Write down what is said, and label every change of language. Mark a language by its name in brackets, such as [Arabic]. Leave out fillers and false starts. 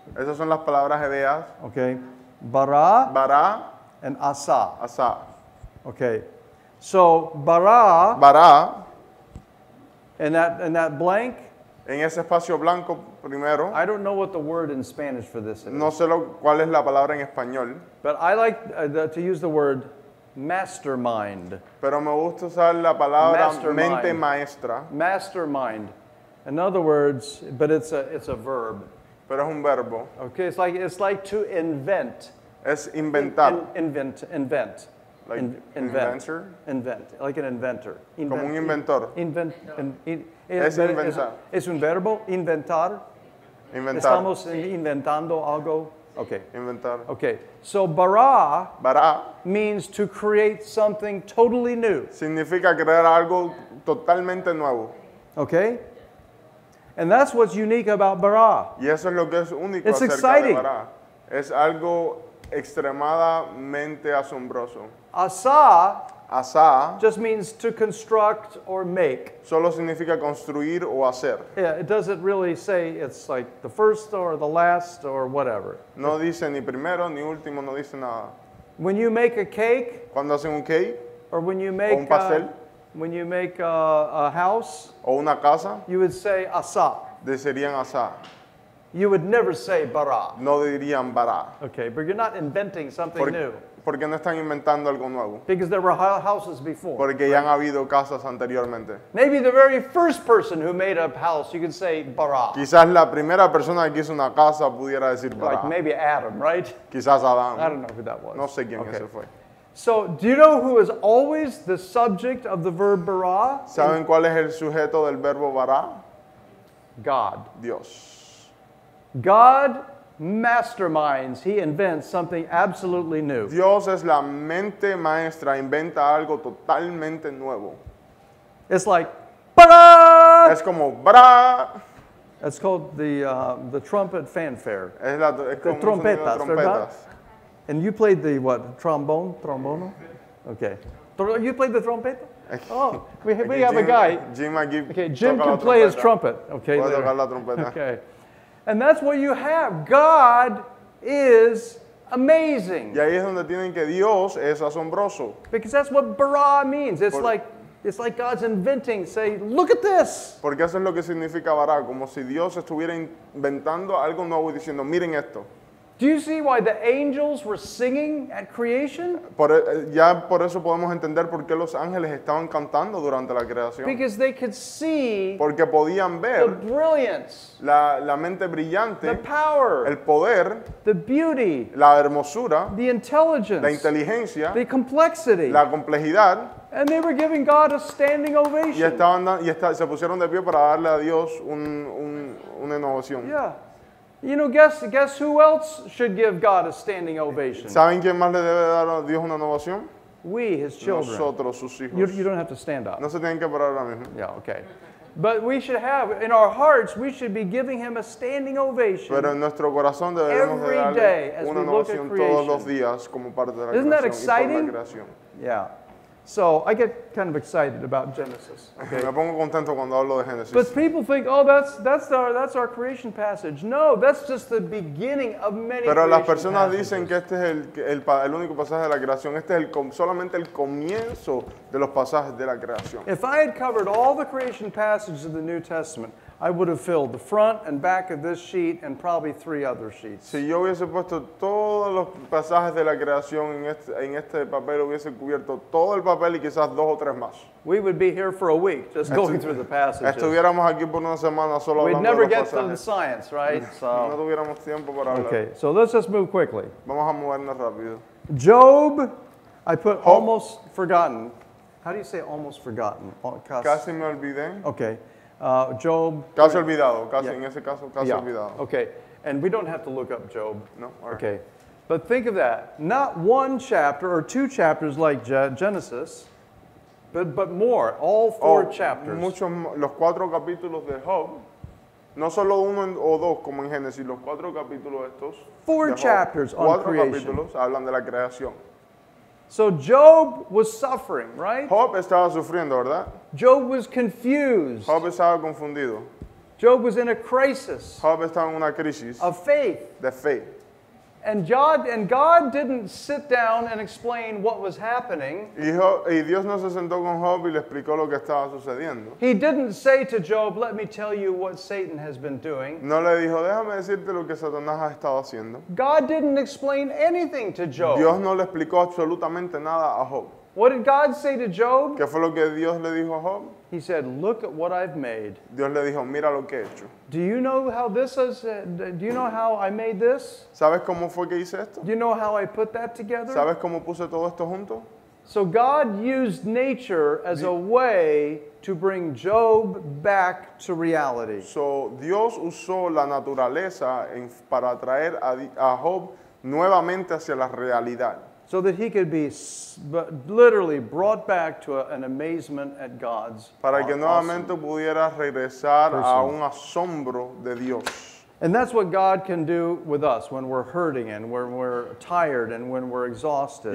[Spanish] Esas son las palabras hebreas. [English] Okay. Bara. Bara. And asa. Asa. Okay. So bara. Bara. And that blank. [Spanish] En ese espacio blanco primero. [English] I don't know what the word in Spanish for this is. [Spanish] No sé cuál es la palabra en español. [English] But I like to use the word mastermind. [Spanish] Pero me gusta usar la palabra mente maestra. [English] Mastermind. In other words, but it's a verb. [Spanish] Pero es un verbo. [English] Okay, it's like to invent. [Spanish] Es inventar. [English] Invent. Like inventor? Invent. Like an inventor. [Spanish] Como un inventor. Es inventar. Es un verbo, inventar. Inventar. Estamos inventando algo. Okay. Inventar. [English] Okay. So bara. Bara. Means to create something totally new. [Spanish] Significa crear algo totalmente nuevo. [English] Okay. And that's what's unique about bara. [Spanish] Y eso es lo que es único. [English] It's exciting. [Spanish] De bara. Es algo extremadamente asombroso. [English] Asa. Asa. Just means to construct or make. [Spanish] Solo significa construir o hacer. [English] Yeah, it doesn't really say it's like the first or the last or whatever. [Spanish] No dice ni primero ni último, no dice nada. [English] When you make a cake. [Spanish] Cuando hacen un cake. [English] Or when you make [Spanish] un pastel. [English] When you make a house. [Spanish] O una casa. [English] You would say asa. [Spanish] Decirían asa. [English] You would never say bara. [Spanish] No dirían bara. [English] Okay, but you're not inventing something new. [Spanish] Porque no están inventando algo nuevo. [English] Because there were houses before. [Spanish] Porque [English] right? [Spanish] Ya han habido casas anteriormente. [English] Maybe the very first person who made a house, you could say bara. [Spanish] Quizás la primera persona que hizo una casa pudiera decir bara. [English] Like maybe Adam, right? [Spanish] Quizás Adam. [English] I don't know who that was. [Spanish] No sé quién ese fue. [English] So, do you know who is always the subject of the verb bara? [Spanish] ¿Saben cuál es el sujeto del verbo bara? [English] God. [Spanish] Dios. [English] God masterminds. He invents something absolutely new. [Spanish] Dios es la mente maestra. Inventa algo totalmente nuevo. [English] It's like, bra. [Spanish] Es como bra. [English] It's called the trumpet fanfare. [Spanish] Es la es [English] the [Spanish] trompetas, trompetas. [English] And you played the what? Trombone, trombono. Okay. You played the trumpet. Oh, we Jim, have a guy. Jim McGee. Okay, Jim can play [Spanish] trompeta. [English] His trumpet. Okay. [Spanish] Puede tocar la trompeta. [English] Okay. And that's what you have. God is amazing. [Spanish] Y ahí es donde tienen que Dios es asombroso. [English] Because that's what bara means. It's like God's inventing. Say, look at this. [Spanish] Porque eso es lo que significa bara, como si Dios estuviera inventando algo nuevo y diciendo, miren esto. [English] Do you see why the angels were singing at creation? [Spanish] Ya por eso podemos entender por qué los ángeles estaban cantando durante la creación. [English] Because they could see. [Spanish] Porque podían ver. [English] The brilliance. [Spanish] La mente brillante. [English] The power. [Spanish] El poder. [English] The beauty. [Spanish] La hermosura. [English] The intelligence. [Spanish] La inteligencia. [English] The complexity. [Spanish] La complejidad. [English] And they were giving God a standing ovation. [Spanish] Se pusieron de pie para darle a Dios una ovación. [English] Yeah. You know, guess who else should give God a standing ovation? [Spanish] ¿Saben quién más le debe dar a Dios una ovación? [English] We, his children. [Spanish] Nosotros, sus hijos. [English] You don't have to stand up. [Spanish] No se tienen que parar ahora mismo. [English] Yeah, okay. But we should have, in our hearts, we should be giving him a standing ovation. [Spanish] Pero en nuestro corazón debemos darle [English] every day [Spanish] una ovación todos los días como parte de la creación. [English] Isn't that exciting? [Spanish] Y por la creación. [English] Yeah. So I get kind of excited about Genesis. [Spanish] Okay. Me pongo contento cuando hablo de Genesis. [English] But people think, oh, that's our creation passage. No, that's just the beginning of many. [Spanish] Pero las personas [English] passages. [Spanish] Dicen que este es el único pasaje de la creación. Este es solamente el comienzo de los pasajes de la creación. [English] If I had covered all the creation passages of the New Testament, I would have filled the front and back of this sheet and probably three other sheets. [Spanish] Si yo hubiese puesto todos los pasajes de la creación en este papel, hubiese cubierto todo el papel y quizás dos o tres más. [English] We would be here for a week just going through the passages. [Spanish] Estuviéramos aquí por una semana solo hablando. [English] We'd never [Spanish] de los [English] get to the science, right? [Spanish] So. No tuviéramos tiempo para hablar. [English] Okay, so let's just move quickly. [Spanish] Vamos a movernos rápido. [English] Job, I put Hope. Almost forgotten. How do you say almost forgotten? [Spanish] Casi me olvidé. [English] Okay. Job. [Spanish] Caso olvidado. En ese caso, caso olvidado. [English] Okay. And we don't have to look up Job. No. Right. Okay. But think of that. Not one chapter or two chapters like Genesis, but more. All four chapters. [Spanish] Mucho, los cuatro capítulos de Job. No solo uno o dos como en Génesis. Los cuatro capítulos estos. [English] Four chapters on creation. [Spanish] Cuatro capítulos hablan de la creación. [English] So Job was suffering, right? [Spanish] Job estaba sufriendo, ¿verdad? [English] Job was confused. [Spanish] Job estaba confundido. [English] Job was in a crisis. [Spanish] Job estaba en una crisis. [English] Of faith. [Spanish] De fe. [English] And God didn't sit down and explain what was happening. [Spanish] Y Dios no se sentó con Job y le explicó lo que estaba sucediendo. [English] He didn't say to Job, "Let me tell you what Satan has been doing." [Spanish] No le dijo, déjame decirte lo que Satanás ha estado haciendo. [English] God didn't explain anything to Job. [Spanish] Dios no le explicó absolutamente nada a Job. [English] What did God say to Job? [Spanish] ¿Qué fue lo que Dios le dijo a Job? [English] He said, "Look at what I've made." [Spanish] Dios le dijo, mira lo que he hecho. [English] Do you know how this is? Do you know how I made this? [Spanish] ¿Sabes cómo fue que hice esto? [English] Do you know how I put that together? [Spanish] ¿Sabes cómo puse todo esto junto? [English] So God used nature as a way to bring Job back to reality. [Spanish] So Dios usó la naturaleza para traer a Job nuevamente hacia la realidad. [English] So that he could be literally brought back to an amazement at God's [Spanish] para que nuevamente pudiera regresar a un asombro de Dios. [English] And that's what God can do with us when we're hurting and when we're tired and when we're exhausted.